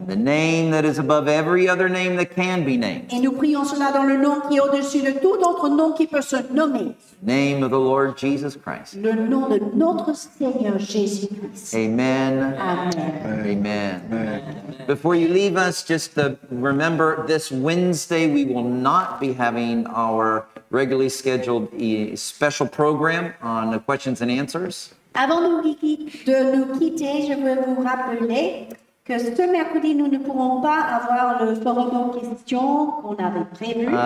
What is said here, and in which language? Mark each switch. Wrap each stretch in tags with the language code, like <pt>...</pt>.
<en>The name that is above every other name that can be named.</en> <fr>Et nous prions cela dans le nom qui est au-dessus de tout autre nom qui peut se nommer.</fr> <en>Name of the Lord Jesus Christ.</en> <fr>Le nom de notre Seigneur Jésus-Christ. Amen. Amen. Amen. Amen.</fr> <en>Before you leave us, just remember this Wednesday we will not be having our regularly scheduled special program on the questions and answers.</en> <fr>Avant de nous quitter, je veux vous rappeler que ce mercredi, nous ne pourrons pas avoir le forum en question qu'on avait prévu.</fr>